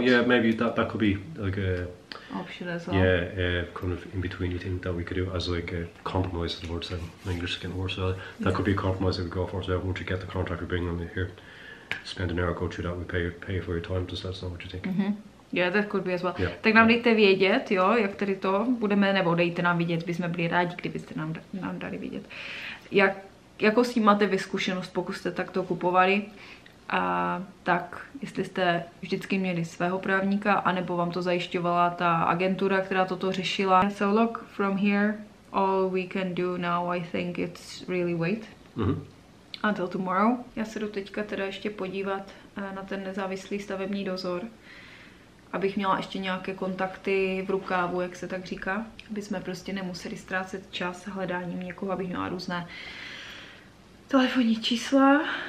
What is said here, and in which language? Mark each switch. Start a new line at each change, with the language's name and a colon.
English: Yeah, maybe that could be like a option as well. Yeah, kind of in between. You think that we could do as like a compromise? The word saying English is getting worse. That could be a compromise that we go for. So once you get the contract, we bring them here. Spend an hour, go through that, we pay for your time, just let us know what you think. Mm-hmm. Yeah, that could be as well. Yeah.
Czech: Tak nám dejte vědět, jo, jak tady to budeme, nebo dejte nám vědět, bychom byli rádi, kdybyste nám dali vědět. Jakou s tím máte vyzkušenost, pokud jste takto kupovali, a tak jestli jste vždycky měli svého právníka, anebo vám to zajišťovala ta agentura, která toto řešila.
English: So look, from here, all we can do now, I think it's really wait. Mm-hmm. Until tomorrow.
Czech: Já se jdu teďka teda ještě podívat na ten nezávislý stavební dozor, abych měla ještě nějaké kontakty v rukávu, jak se tak říká, aby jsme prostě nemuseli ztrácet čas hledáním někoho, abych měla různé telefonní čísla.